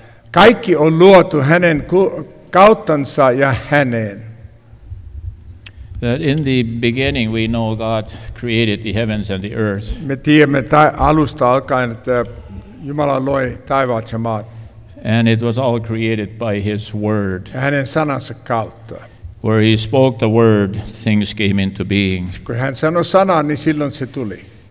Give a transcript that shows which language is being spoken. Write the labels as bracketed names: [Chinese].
[Finnish] Kaikki on luotu hänen kauttansa ja häneen. [English] That in the beginning we know God created the heavens and the earth. [Finnish] Me tiedämme alusta alkaen, että Jumala loi taivaat ja maat. [English] And it was all created by his word. [Finnish] Ja hänen sanansa kautta. [English] Where he spoke the word, things came into being. [Finnish] Kun hän sanoi sanan, niin silloin se tuli.